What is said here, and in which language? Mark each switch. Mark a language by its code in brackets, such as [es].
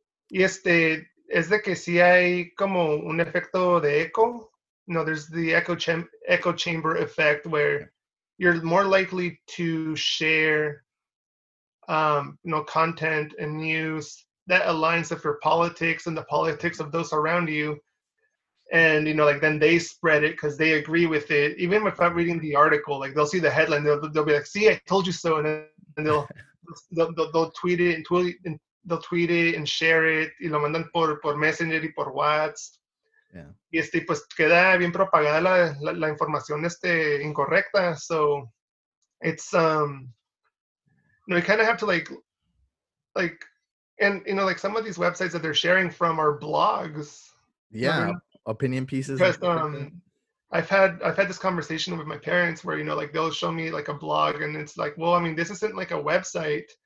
[es] Y este, es de que sí hay como un efecto de eco. [en] No, there's the echo chamber effect where you're more likely to share, you know, content and news that aligns with your politics and the politics of those around you. And, you know, like then they spread it because they agree with it. Even without reading the article, like they'll see the headline, they'll be like, see, I told you so. And then they'll tweet it They'll tweet it and share it, [es] y lo mandan por Messenger y por WhatsApp. [en] Yeah. [es] Y este, pues queda bien propagada la información incorrecta. [en] So it's, you know, you kind of have to like, and, you know, like some of these websites that they're sharing from are blogs. Yeah. Opinion pieces. Because, I've had this conversation with my parents where, you know, like they'll show me like a blog and it's like, well, I mean, this isn't like a website.